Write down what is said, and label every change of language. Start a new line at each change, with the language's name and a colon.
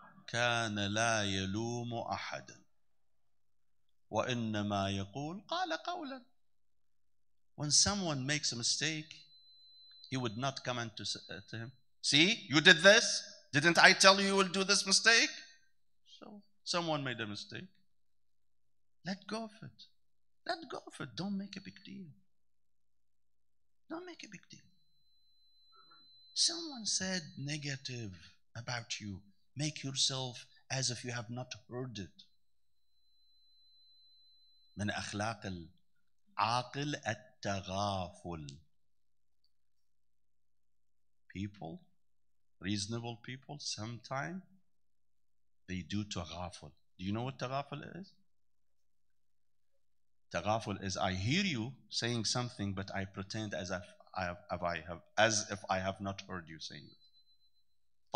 Arabic: كان لا يلوم أحدا وإنما يقول قال قولا.
English: When someone makes a mistake, he would not come and to him, see, you did this, didn't I tell you will do this mistake? So someone made a mistake, let go of it. Don't make a big deal. Someone said negative about you, make yourself as if you have not heard it.
Arabic: من أخلاق العاقل التغافل.
English: People, reasonable people, sometimes they do تغافل. Do you know what تغافل is? تغافل is I hear you saying something, but I pretend as if I have not heard you saying it.